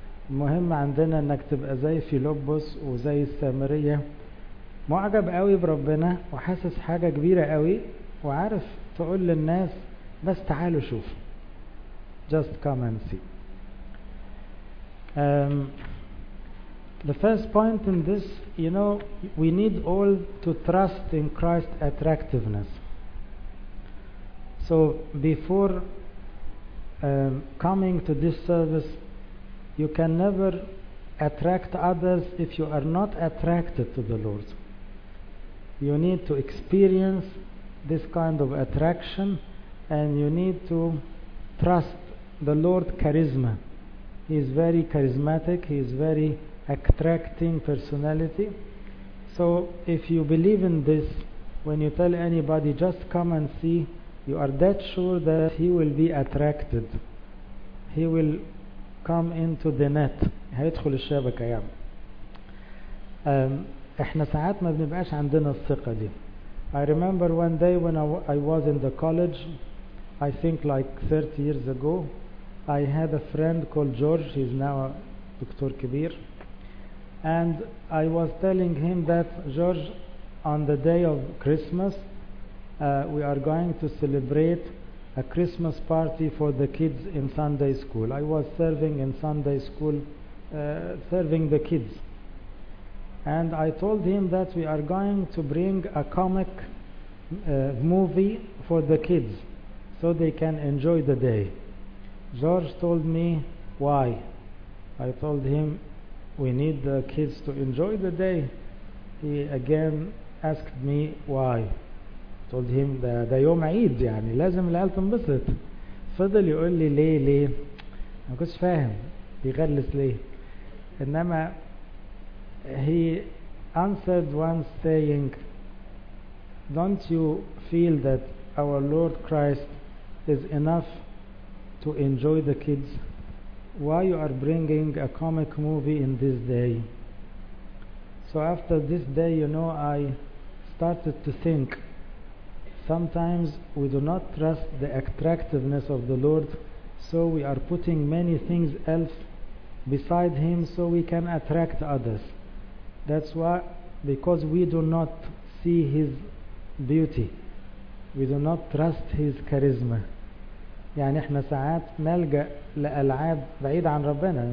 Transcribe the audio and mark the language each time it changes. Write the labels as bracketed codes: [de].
[ar] المهم عندنا انك تبقى زي فيلبس وزي السامرية, معجب قوي بربنا وحاسس حاجة كبيرة قوي وعارف تقول للناس بس تعالوا شوف, [en] just come and see. The first point in this, you know, we need all to trust in Christ's attractiveness. So before coming to this service, you can never attract others if you are not attracted to the Lord. You need to experience this kind of attraction, and you need to trust the Lord's charisma. He is very charismatic, he is very attracting personality. So if you believe in this, when you tell anybody just come and see, you are that sure that he will be attracted. He will come into the net. [ar] هيدخل الشبكة يعني. احنا ساعات ما بنبقاش عندنا الثقة دي. [en] I remember one day when I was in the college, I think like 30 years ago, I had a friend called George. He's now a Dr. Kabir. And I was telling him that, George, on the day of Christmas, we are going to celebrate a Christmas party for the kids in Sunday school. I was serving in Sunday school, serving the kids. And I told him that we are going to bring a comic movie for the kids so they can enjoy the day. George told me why. I told him we need the kids to enjoy the day. He again asked me why. Told him [ar] ده يوم عيد يعني لازم العيال تنبسط. فضل يقول لي ليه ما كنتش فاهم بيغلس ليه. انما [en] he answered once saying, don't you feel that our Lord Christ is enough to enjoy the kids? Why you are bringing a comic movie in this day? So after this day, you know, I started to think, sometimes we do not trust the attractiveness of the Lord, so we are putting many things else beside him so we can attract others. That's why, because we do not see his beauty, we do not trust his charisma. [ar] يعني احنا ساعات نلجأ لألعاب بعيد عن ربنا.